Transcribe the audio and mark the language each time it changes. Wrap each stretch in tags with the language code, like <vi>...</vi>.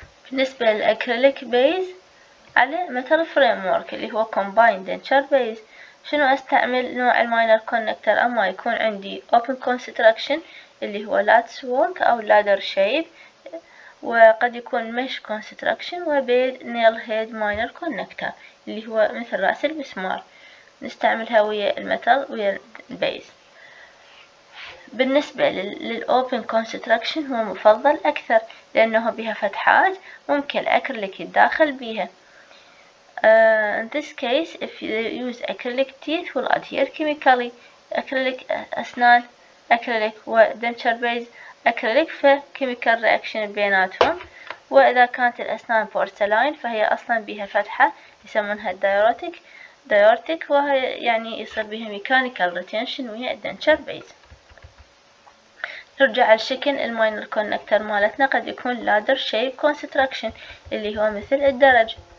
<ar>بالنسبة للأكريليك بيز على مثل فريمورك اللي هو كومبايند دنشر بيز، شنو استعمل؟ نوع الماينر كونكتر اما يكون عندي اوبن كونستراكشن اللي هو لاتس وورك او لادر شيب، وقد يكون مش كونستراكشن وبيد نيل هيد ماينر كونكتر اللي هو مثل راس البسمار، نستعملها ويا المتل ويا البيز. بالنسبة للأوبن كونستراكشن هو مفضل أكثر لأنه بها فتحات ممكن الأكريليك يتداخل بيها.</ar> <en>In this case, if you use acrylic teeth, will adhere chemically. Acrylic أسنان, acrylic و denture base, acrylic ف chemical reaction بيناتهم.</en> <ar>وإذا كانت الأسنان porcelain فهي أصلاً بها فتحة يسمونها diortic. Diortic وهي يعني يصير بها mechanical retention ويا denture base. نرجع الشكل الماينر كونكتر مالتنا قد يكون لادر شيب كونستراكشن اللي هو مثل الدرج.</ar>